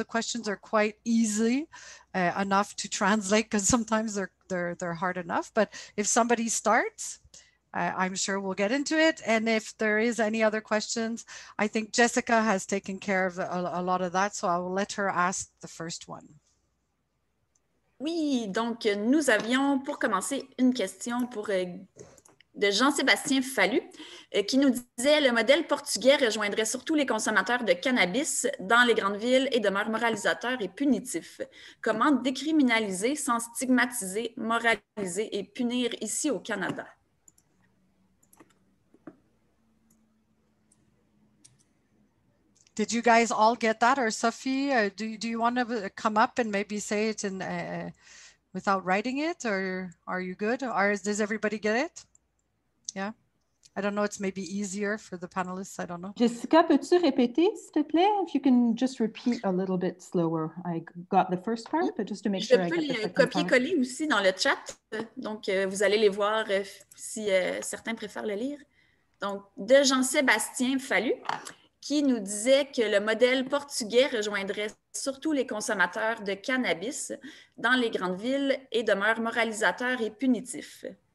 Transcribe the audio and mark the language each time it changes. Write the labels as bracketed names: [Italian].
[English] The questions are quite easy enough to translate, because sometimes they're hard enough. But if somebody starts, I'm sure we'll get into it. And if there is any other questions, I think Jessica has taken care of a lot of that. So I will let her ask the first one. [French] Oui, donc nous avions pour commencer une question pour de Jean-Sébastien Fallu, qui nous disait le modèle portugais rejoindrait surtout les consommateurs de cannabis dans les grandes villes et demeure moralisateur et punitif. Comment décriminaliser sans stigmatiser, moraliser et punir ici au Canada? [English] Did you guys all get that? Or Sophie, do you want to come up and maybe say it in, without writing it? Or are you good? Or does everybody get it? Yeah. I don't know. It's maybe easier for the panelists. I don't know. [French] Jessica, peux-tu répéter, s'il te plaît? [English] If you can just repeat a little bit slower. I got the first part, but just to make sure I get the second part. [French] Je peux le copier-coller aussi dans le chat. Donc, vous allez les voir si certains préfèrent le lire. donc de Jean-Sébastien Fallu, qui nous disait que le modèle portugais rejoindrait surtout les consommateurs de cannabis dans les grandes villes et demeure moralisateur et punitif.